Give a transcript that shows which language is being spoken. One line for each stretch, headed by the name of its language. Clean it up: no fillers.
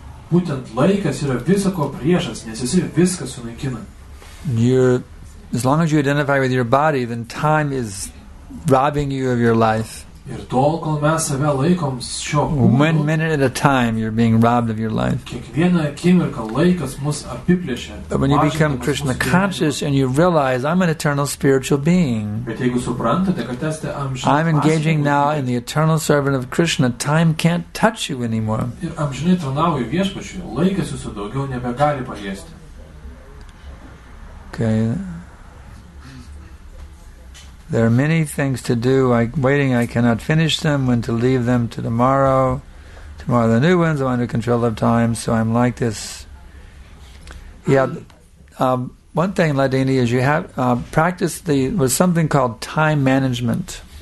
Lithuanian: Būtent laikas yra visa ko priešas, nes jis viską sunaikina.
English: As long as you identify with your body, then time is robbing you of your life.
Lithuanian: Ir tol, kol mes save laikom šio kūno,
English: 1 minute at a time, you're being robbed of your life.
Lithuanian: Kiekvieną akimirką laikas mus apiplėšia.
English: But when you become Krishna conscious and you realize I'm an eternal spiritual being,
Lithuanian: bet jeigu suprantate, kad esate amžinai,
English: I'm engaging now in the eternal servant of Krishna, time can't touch you anymore.
Lithuanian: Ir amžinai tarnauju viešpačiui, laikas jūsų daugiau nebegali paliesti.
English: Okay. There are many things to do, like waiting, I cannot finish them, when to leave them to tomorrow. Tomorrow the new ones, I'm under control of time, so I'm like this. Yeah, one thing, Ladini, is you have practice the, was something called time management.